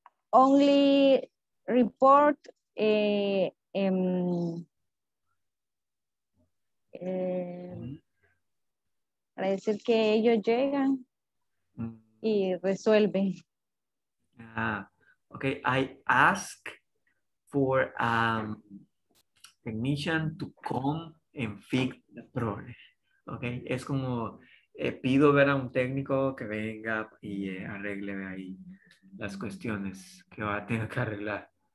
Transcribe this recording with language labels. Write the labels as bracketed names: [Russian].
[English] Only report [Spanish] para decir que ellos llegan y resuelven. [English] Ah, okay. I ask for technician to come and fix the problem. [Spanish] Okay, es como pido ver a un técnico que venga y arregle ahí las cuestiones que va a tener que arreglar.